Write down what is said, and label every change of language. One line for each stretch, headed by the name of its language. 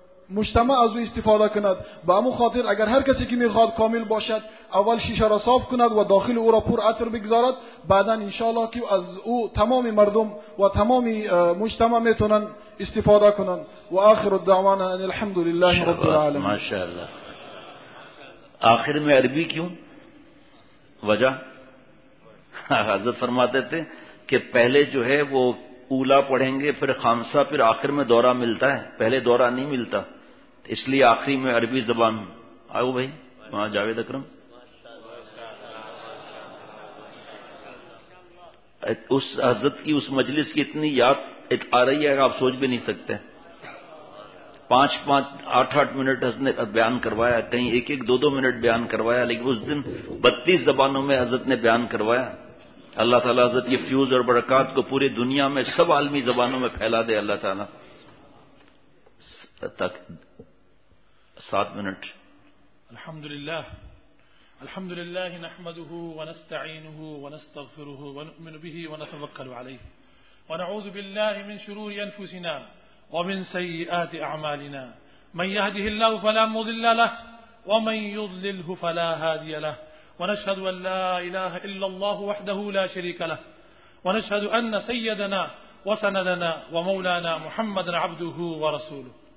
Persian: مجتمع از او استفاده کند به همون خاطر اگر هر کسی که میخواد کامل باشد اول شیشه را صاف کند و داخل او را پر عطر بگذارد بعدن انشاءالله که از او تمام مردم و تمام مجتمع میتونن استفاده کنن
Arabic: و آخر الدعوان ان الحمد لله رب العالمين
Urdu: ما شاء الله آخر میں عربی کیوں وجہ حضرت فرماتے تھے کہ پہلے جو ہے وہ اولا پڑھیں گے پھر خامسہ پھر آخر میں دورہ ملتا ہے پہلے دورہ نہیں ملتا اس لیے آخری میں عربی زبان آؤ بھائی وہاں جاوید اکرم اس حضرت کی اس مجلس کی اتنی یاد آ رہی ہے آپ سوچ بھی نہیں سکتے پانچ پانچ آٹھ آٹھ منٹ حضرت نے بیان کروایا کہیں ایک ایک دو دو منٹ بیان کروایا لیکن اس دن 32 زبانوں میں حضرت نے بیان کروایا اللہ تعالیٰ حضرت یہ فیوز اور برکات کو پوری دنیا میں سب عالمی زبانوں میں پھیلا دے اللہ تعالیٰ تک 7 منٹ
Arabic: الحمدللہ الحمدللہ نحمده ونستعینه ونستغفره ونؤمن به ونتوکل علیه ونعوذ بالله من شرور أنفسنا ومن سيئات أعمالنا من يهده الله فلا مضل له ومن يضلله فلا هادي له ونشهد أن لا إله إلا الله وحده لا شريك له ونشهد أن سيدنا وسندنا ومولانا محمد عبده ورسوله